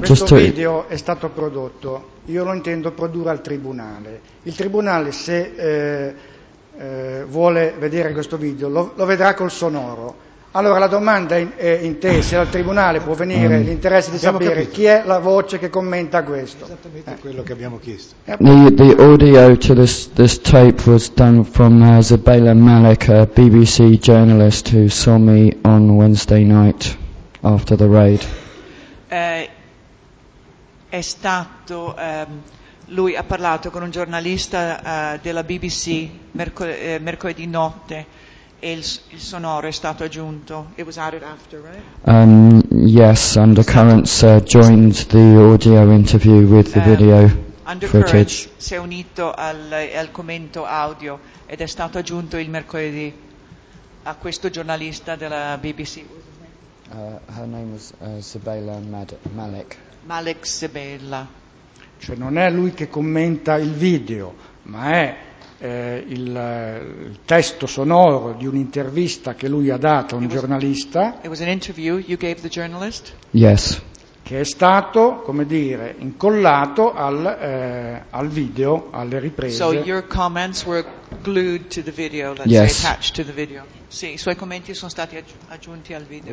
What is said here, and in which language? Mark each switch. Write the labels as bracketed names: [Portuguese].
[Italian] questo video è stato prodotto, io lo intendo produrre al tribunale. Il tribunale, se vuole vedere questo video, lo vedrà col sonoro. Allora la domanda è in te, se al tribunale può venire l'interesse di sapere capito. Chi è la voce che commenta questo. Esattamente quello che abbiamo chiesto. [English] The audio to this tape was done from Zabela Malik, a BBC journalist who saw me on Wednesday night. After the raid. [Italian] è stato, lui ha parlato con un giornalista della BBC mercoledì notte e il sonoro è stato aggiunto. [English] It was added after, right? Yes, Undercurrents joined the audio interview with the video Undercurrents footage. [Italian] Si è unito al commento audio ed è stato aggiunto il mercoledì a questo giornalista della BBC. [English] Her name was Sabela Malik. Malik Sabela. [Italian] Cioè non è lui che commenta il video, ma è il testo sonoro di un'intervista che lui ha dato a un giornalista. [English] It was an interview you gave the journalist? Yes. [Italian] Che è stato, come dire, incollato al video, alle riprese. [English] So your comments were glued to the video, say attached to the video. [Italian] Sì, i suoi commenti sono stati aggiunti al video.